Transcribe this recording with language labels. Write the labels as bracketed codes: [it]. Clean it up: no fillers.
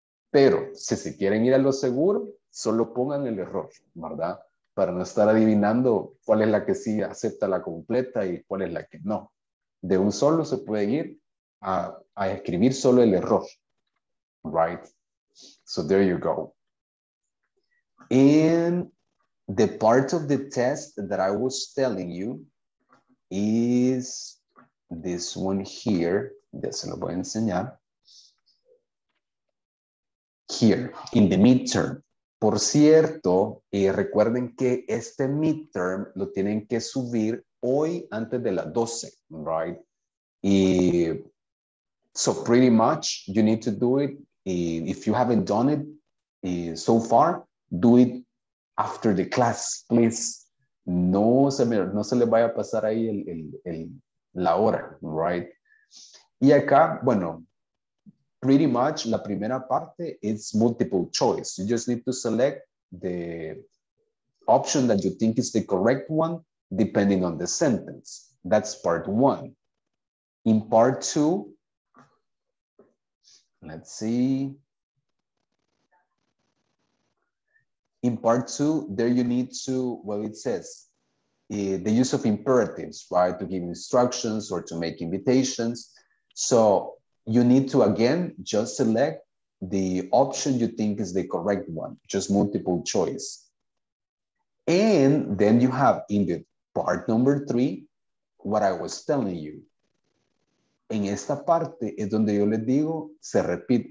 [es] Pero, si se quieren ir a lo seguro, solo pongan el error, ¿verdad? Para no estar adivinando cuál es la que sí acepta la completa y cuál es la que no. De un solo se puede ir a escribir solo el error. [en] Right. So there you go. In the part of the test that I was telling you is this one here. [es] Ya se lo voy a enseñar. [en] Here, in the midterm. [es] Por cierto, recuerden que este midterm lo tienen que subir hoy antes de las 12, right? [en] So pretty much you need to do it. If you haven't done it so far, do it after the class, please. [es] No se le vaya a pasar ahí la hora, right? Y acá, bueno, [en] pretty much [es] la primera parte [en] is multiple choice. You just need to select the option that you think is the correct one, depending on the sentence. That's part one. In part two, let's see. In part two, there you need to, well, it says the use of imperatives, right? To give instructions or to make invitations. So you need to, again, just select the option you think is the correct one, just multiple choice. And then you have in the part number three, what I was telling you. [es] En esta parte es donde yo les digo, se repite.